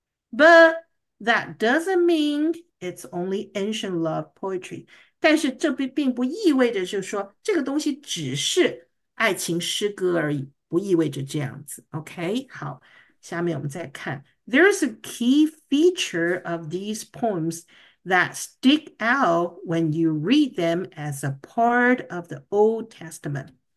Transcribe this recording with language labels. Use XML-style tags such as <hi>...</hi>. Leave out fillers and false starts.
<en>But that doesn't mean it's only ancient love poetry。</en> <zh>但是这并不意味着就是说这个东西只是爱情诗歌而已，不意味着这样子。 OK，好，下面我们再看。</zh> <en>There is a key feature of these poems that stick out when you read them as a part of the Old Testament.</en>